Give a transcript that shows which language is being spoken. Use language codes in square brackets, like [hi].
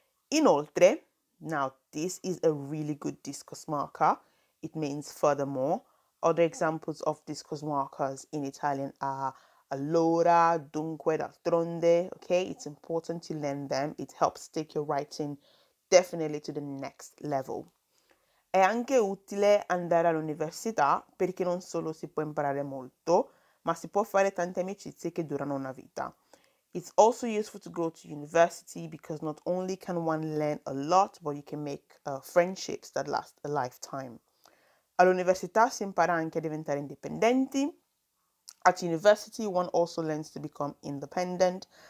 [en] Inoltre, now this is a really good discus marker. It means furthermore. Other examples of discus markers in Italian are allora, dunque, d'altronde, okay? It's important to learn them. It helps take your writing definitely to the next level. [it] È anche utile andare all'università perché non solo si può imparare molto, ma si può fare tante amicizie che durano una vita. [en] It's also useful to go to university because not only can one learn a lot, but you can make friendships that last a lifetime. [it] All'università si impara anche a diventare indipendenti. [en] At university, one also learns to become independent.